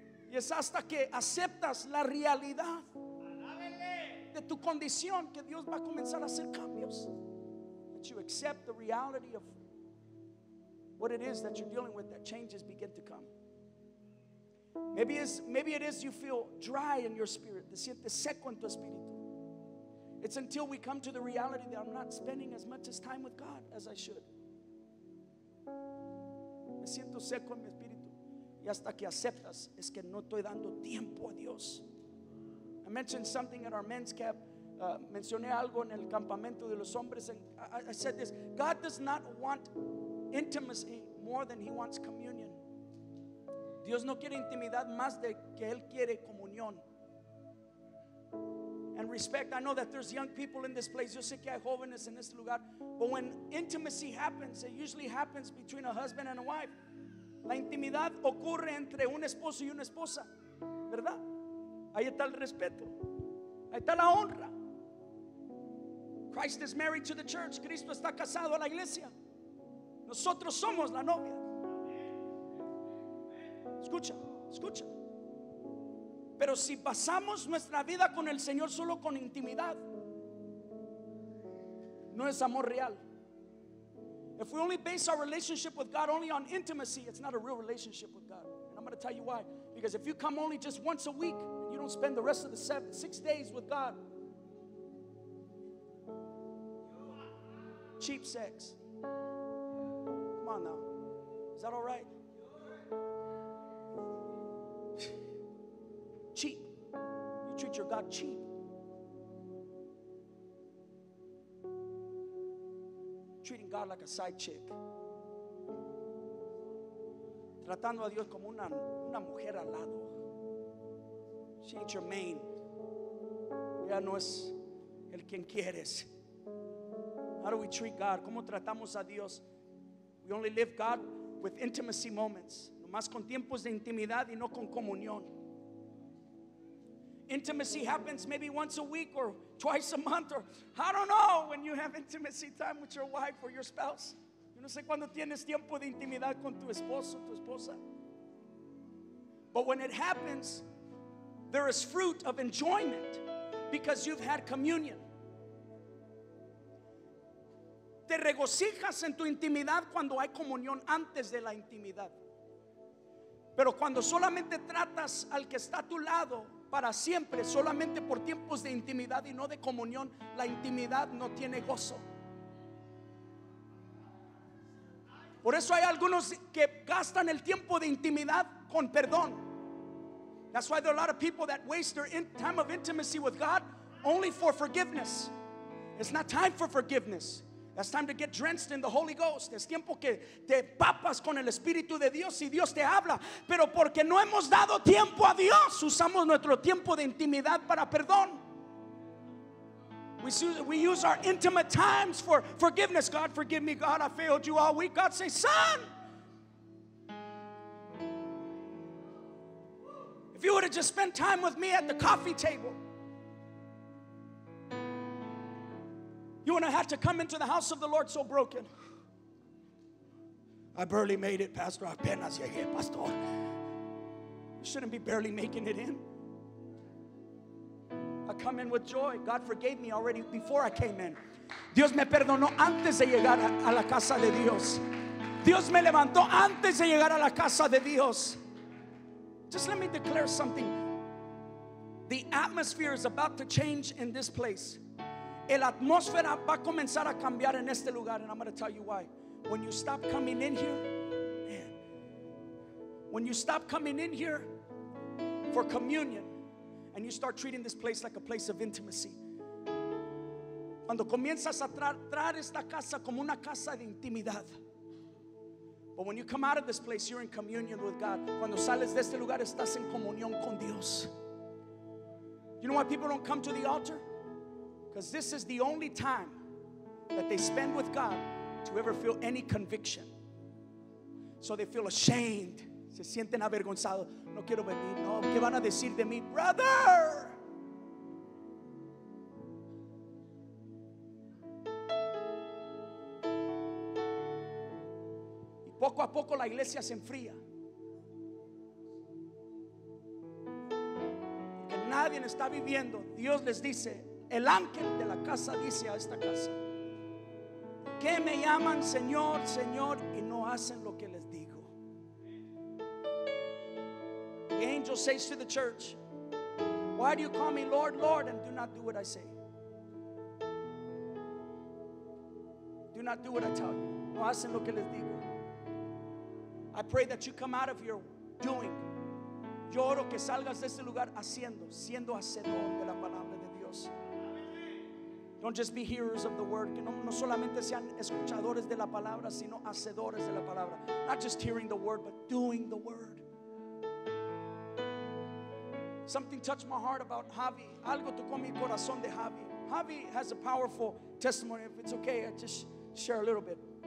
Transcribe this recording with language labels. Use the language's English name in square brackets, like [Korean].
[Spanish] Y es hasta que aceptas la realidad de tu condición que Dios va a comenzar a hacer cambios. [English] That you accept the reality of what it is that you're dealing with, that changes begin to come. Maybe it is you feel dry in your spirit. [Spanish] Te sientes seco en tu espíritu. [English] It's until we come to the reality that I'm not spending as much as time with God as I should. [Spanish] Me siento seco en mi espíritu. Y hasta que aceptas es que no estoy dando tiempo a Dios. [English] I mentioned something at our men's camp. [Spanish] Mencioné algo en el campamento de los hombres. [English] And I said this: God does not want intimacy more than He wants communion. [Spanish] Dios no quiere intimidad más de que Él quiere comunión. [English] And respect. I know that there's young people in this place. [Spanish] Yo sé que hay jóvenes en este lugar. [English] But when intimacy happens, it usually happens between a husband and a wife. [Spanish] La intimidad ocurre entre un esposo y una esposa, ¿verdad? Ahí está el respeto, ahí está la honra. [English] Christ is married to the church. [Spanish] Cristo está casado a la iglesia. Nosotros somos la novia. Escucha. Pero si pasamos nuestra vida con el Señor solo con intimidad, no es amor real. [English] If we only base our relationship with God only on intimacy, it's not a real relationship with God. And I'm going to tell you why. Because if you come only just once a week and you don't spend the rest of the 6 days with God, cheap sex. Come on now. Is that all right? Cheap. You treat your God cheap. Treating God like a side chick. [Spanish] Tratando a Dios como una mujer al lado. [English] She ain't your main. [Spanish] Ya no es el quien quieres. [English] How do we treat God? [Spanish] ¿Cómo tratamos a Dios? [English] We only live God with intimacy moments. [Spanish] Nomás con tiempos de intimidad y no con comunión. [English] Intimacy happens maybe once a week or twice a month, or I don't know when you have intimacy time with your wife or your spouse. [Spanish] Yo no sé cuando tienes tiempo de intimidad con tu esposo, tu esposa. [English] But when it happens, there is fruit of enjoyment because you've had communion. [Spanish] Te regocijas en tu intimidad cuando hay comunión antes de la intimidad. Pero cuando solamente tratas al que está a tu lado para siempre, solamente por tiempos de intimidad y no de comunión, la intimidad no tiene gozo. Por eso hay algunos que gastan el tiempo de intimidad con perdón. [English] That's why there are a lot of people that waste their time of intimacy with God only for forgiveness. It's not time for forgiveness. It's time to get drenched in the Holy Ghost. [Spanish] Es tiempo que te papas con el Espíritu de Dios y Dios te habla. Pero porque no hemos dado tiempo a Dios, usamos nuestro tiempo de intimidad para perdón. [English] We use our intimate times for forgiveness. God, forgive me. God, I failed you all week. God say, son, if you would have just spent time with me at the coffee table, you wouldn't have had to come into the house of the Lord so broken. I barely made it, Pastor. [Spanish] Apenas llegué, Pastor. [English] You shouldn't be barely making it in. I come in with joy. God forgave me already before I came in. [Spanish] Dios me perdonó antes de llegar a la casa de Dios. Dios me levantó antes de llegar a la casa de Dios. [English] Just let me declare something. The atmosphere is about to change in this place. [Spanish] El atmósfera va a comenzar a cambiar en este lugar, [English] and I'm going to tell you why. When you stop coming in here, man, when you stop coming in here for communion, and you start treating this place like a place of intimacy. [Spanish] Cuando comienzas a tratar esta casa como una casa de intimidad. [English] But when you come out of this place, you're in communion with God. [Spanish] Cuando sales de este lugar, estás en comunión con Dios. [English] You know why people don't come to the altar? Because this is the only time that they spend with God to ever feel any conviction. So they feel ashamed. [Spanish] Se sienten avergonzados. No quiero venir. No, ¿qué van a decir de mí? [English] Brother! [Spanish] Poco a poco la iglesia se enfría. Porque nadie está viviendo. Dios les dice, el ángel de la casa dice a esta casa, ¿qué me llaman Señor, Señor, y no hacen lo que les digo? [English] The angel says to the church, why do you call me Lord, Lord, and do not do what I say? Do not do what I tell you. [Spanish] No hacen lo que les digo. [English] I pray that you come out of your doing. [Spanish] Yo oro que salgas de este lugar haciendo, siendo hacedor de la palabra de Dios. [English] Don't just be hearers of the word. [Spanish] Que no solamente sean escuchadores de la palabra, sino hacedores de la palabra. [English] Not just hearing the word, but doing the word. Something touched my heart about Javi. [Spanish] Algo tocó mi corazón de Javi. [English] Javi has a powerful testimony. If it's okay, I just share a little bit.